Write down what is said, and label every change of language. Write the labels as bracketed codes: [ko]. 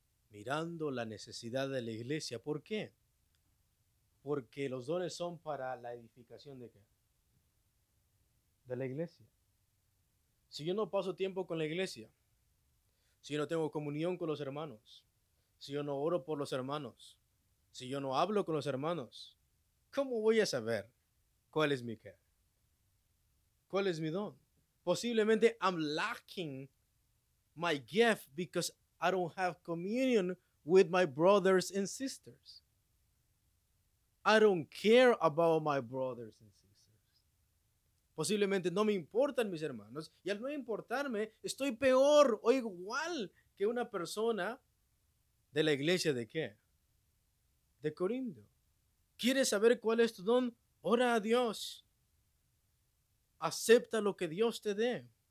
[es] Mirando la necesidad de la iglesia. ¿Por qué? Porque los dones son para la edificación ¿de qué? De la iglesia. Si yo no paso tiempo con la iglesia, si yo no tengo comunión con los hermanos, si yo no oro por los hermanos, si yo no hablo con los hermanos, ¿cómo voy a saber cuál es mi qué? ¿Cuál es mi don? Posiblemente [en] I'm lacking my gift because I don't have communion with my brothers and sisters. I don't care about my brothers and sisters. [es] Posiblemente no me importan mis hermanos. Y al no importarme, estoy peor o igual que una persona de la iglesia de qué? De Corinto. ¿Quieres saber cuál es tu don? Ora a Dios. Acepta lo que Dios te dé.